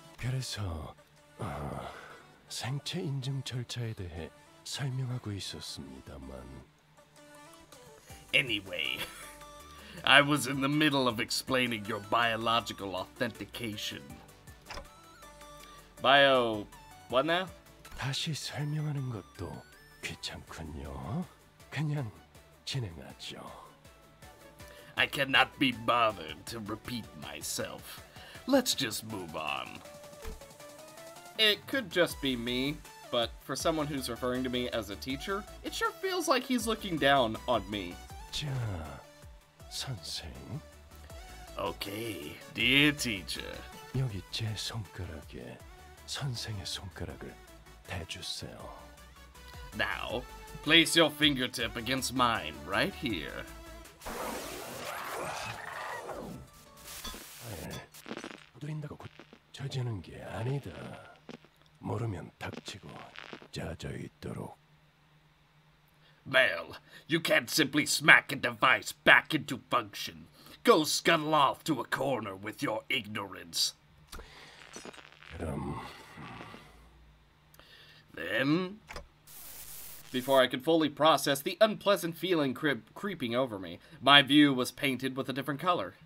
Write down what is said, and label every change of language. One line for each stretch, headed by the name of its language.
Korean: 그래서, 생체 인증 절차에 대해 설명하고 있었습니다만...
English: Anyway, I was in the middle of explaining your biological authentication. Bio... what now?
Korean: 다시 설명하는 것도 귀찮군요. 그냥 진행하죠.
English: I cannot be bothered to repeat myself. Let's just move on. It could just be me, but for someone who's referring to me as a teacher, it sure feels like he's looking down on me.
Korean: 자, 선생.
English: Okay, dear teacher.
Korean: 여기 제 손가락에 선생의 손가락을 대주세요.
English: Now, place your fingertip against mine right here.
Korean: 두드린다고 곧 처지는 게 아니다. 모르면 닥치고 젖어 있도록.
English: Well, you can't simply smack a device back into function. Go scuttle off to a corner with your ignorance.
Korean: 그럼...
English: Then... Before I could fully process the unpleasant feeling creeping over me, my view was painted with a different color.